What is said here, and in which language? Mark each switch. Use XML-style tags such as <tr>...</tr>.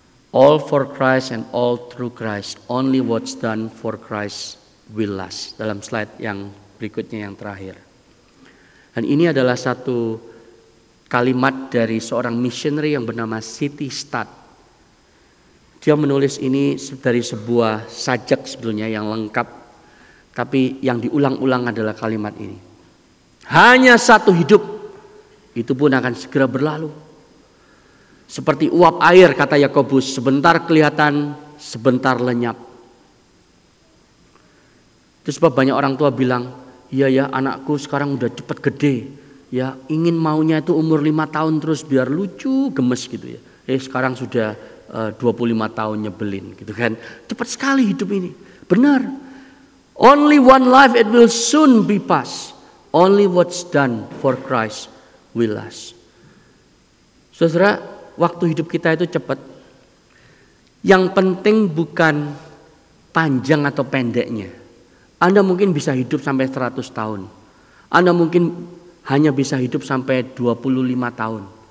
<en>All for Christ and all through Christ. Only what's done for Christ will last.</en> <id>Dalam slide yang berikutnya yang terakhir. Dan ini adalah satu kalimat dari seorang missionary yang bernama City Stud. Dia menulis ini dari sebuah sajak sebetulnya yang lengkap. Tapi yang diulang-ulang adalah kalimat ini. Hanya satu hidup, itu pun akan segera berlalu. Seperti uap air, kata Yakobus, sebentar kelihatan, sebentar lenyap. Itu sebab banyak orang tua bilang, iya ya anakku sekarang udah cepat gede. Ya ingin maunya itu umur 5 tahun terus biar lucu, gemes gitu ya. Sekarang sudah 25 tahun nyebelin gitu kan. Cepat sekali hidup ini, benar.</id> <en>Only one life, it will soon be passed. Only what's done for Christ will last.</en> <id>Saudara, waktu hidup kita itu cepat. Yang penting bukan panjang atau pendeknya. Anda mungkin bisa hidup sampai 100 tahun. Anda mungkin hanya bisa hidup sampai 25 tahun.</id>